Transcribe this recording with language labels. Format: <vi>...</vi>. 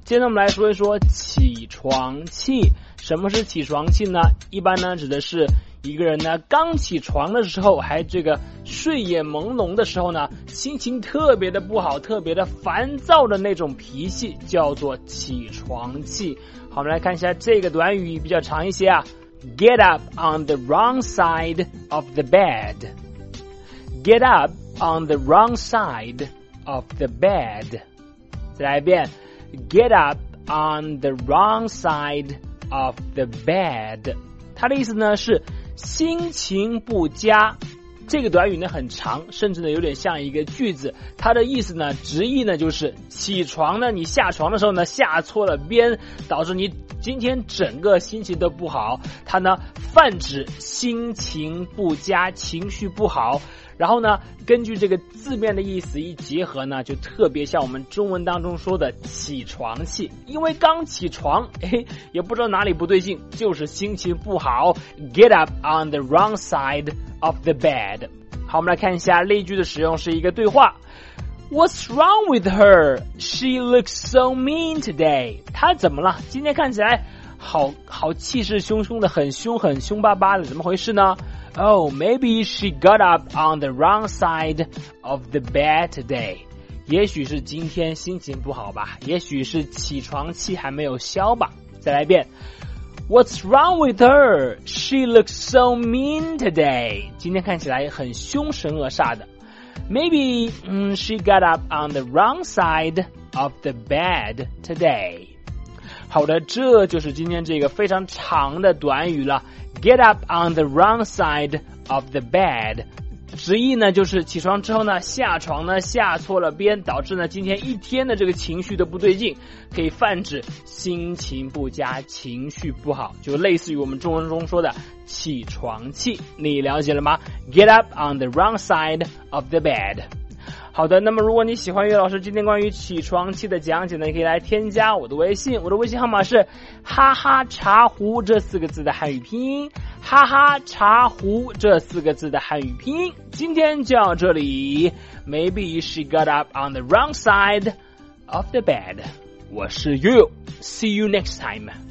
<zh>今天我们来说一说起床气。什么是起床气呢？一般呢指的是一个人呢刚起床的时候，还这个睡眼朦胧的时候呢，心情特别的不好，特别的烦躁的那种脾气，叫做起床气。好，我们来看一下这个短语比较长一些啊 ，</zh> <en>Get up on the wrong side of the bed。 Get up on the wrong side of the bed.</en> <zh>再来一遍</zh> <en>Get up on the wrong side of the bed.</en> <zh>它的意思呢是心情不佳。这个短语呢很长，甚至呢有点像一个句子。它的意思呢直译呢就是起床呢你下床的时候呢下错了边，导致你今天整个心情都不好。它呢泛指心情不佳，情绪不好。然后呢根据这个字面的意思一结合呢，就特别像我们中文当中说的起床气。因为刚起床，哎，也不知道哪里不对劲，就是心情不好，</zh> <en>Get up on the wrong side of the bed。</en> <zh>好，我们来看一下例句的使用，是一个对话。</zh> <en>What's wrong with her? She looks so mean today.</en> <zh>她怎么了？今天看起来好气势汹汹的，很凶，很凶巴巴的，怎么回事呢？</zh> <en>Oh, maybe she got up on the wrong side of the bed today.</en> <zh>也许是今天心情不好吧，也许是起床气还没有消吧。再来一遍。</zh> <en>What's wrong with her? She looks so mean today.</en> <zh>今天看起来很凶神恶煞的。</zh> <en>Maybe, she got up on the wrong side of the bed today.</en> <zh>好的，这就是今天这个非常长的短语了。</zh> <en>Get up on the wrong side of the bed.</en> <zh>直译呢就是起床之后呢下床呢下错了边，导致呢今天一天的这个情绪都不对劲，可以泛指心情不佳，情绪不好，就类似于我们中文中说的起床气。你了解了吗？</zh> <en>Get up on the wrong side of the bed.</en> <zh>好的，那么如果你喜欢岳老师今天关于起床气的讲解呢，你可以来添加我的微信，我的微信号码是哈哈茶壶这四个字的汉语拼音，哈哈茶壶这四个字的汉语拼音。今天就到这里，</zh> <en>Maybe she got up on the wrong side of the bed.</en> <zh>我是岳，</zh> <en>See you next time.</en>